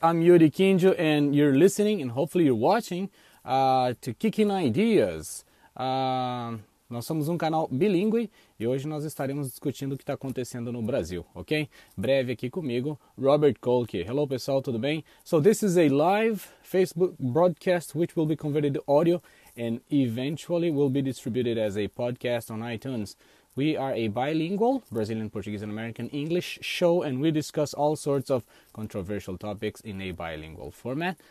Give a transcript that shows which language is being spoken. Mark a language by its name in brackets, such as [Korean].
[English] I'm Yuri Kinjo, and you're listening, and hopefully you're watching, to Kicking Ideas. [Portuguese] Nós somos canal bilíngue, e hoje nós estaremos discutindo o que está acontecendo no Brasil, ok? Breve aqui comigo, Robert Kolke. Hello, pessoal, tudo bem? [English] So this is a live Facebook broadcast, which will be converted to audio, and eventually will be distributed as a podcast on iTunes. We are a bilingual Brazilian, Portuguese, and American English show, and we discuss all sorts of controversial topics in a bilingual format.